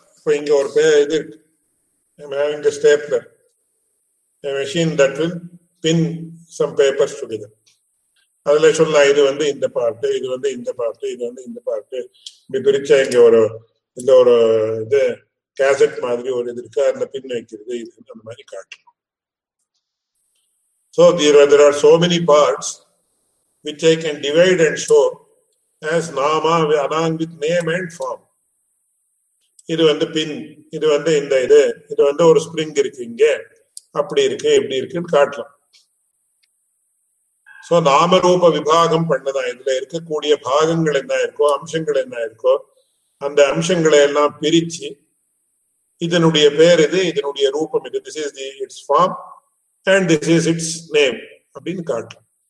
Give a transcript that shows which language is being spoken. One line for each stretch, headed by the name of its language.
Tamil: இப்ப இங்க ஒரு இது இருக்கு, இங்க stapler,
English: a machine that will pin some papers together.
Tamil: அதுல சொல்லலாம் இது வந்து இந்த பார்ட்டு, இது வந்து இந்த பார்ட்டு, இது வந்து இந்த பார்ட்டு. இப்படி பிரிச்சா இங்க ஒரு இந்த ஒரு இது கேசட் மாதிரி ஒரு இது இருக்கு, அதுல பின் வைக்கிறது இது அந்த மாதிரி காட்டணும்.
English: So there are so many parts which I can divide and show as nama along with name and form.
Tamil: இது வந்து பின், இது வந்து இந்த இது, இது வந்து ஒரு ஸ்பிரிங் இருக்கு இங்க, அப்படி இருக்கு இப்படி இருக்குன்னு காட்டலாம். சோ நாமரூப விபாகம் பண்ணதான், இதுல இருக்கக்கூடிய பாகங்கள் என்ன இருக்கோ, அம்சங்கள் என்ன இருக்கோ, அந்த அம்சங்களை எல்லாம் பிரிச்சு இதனுடைய பேர் இது, இதனுடைய ரூபம் இது,
English: this is the its form and this is its name
Tamil: அப்படின்னு காட்டலாம்.